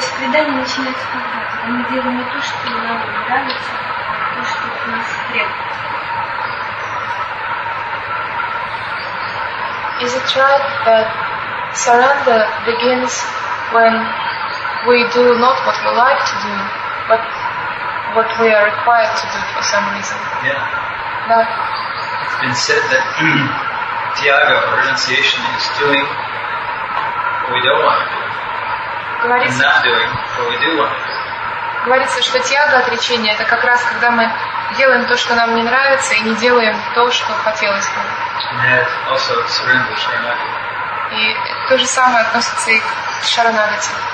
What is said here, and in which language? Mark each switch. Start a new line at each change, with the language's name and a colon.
Russian: Предание начинается тогда, когда мы делаем не то, что нам нравится, а то, что нас требует.
English: Is it right that surrender begins when we do not what we like to do, but what we are required to do for some reason? Yeah. That it's been said that tyaga, or renunciation, is doing what we don't want to do, and not doing what we do want to do.
Russian: Говорится, что тяга отречения — это как раз когда мы делаем то, что нам не нравится, и не делаем то, что хотелось бы. И то же самое относится и к шаранагати.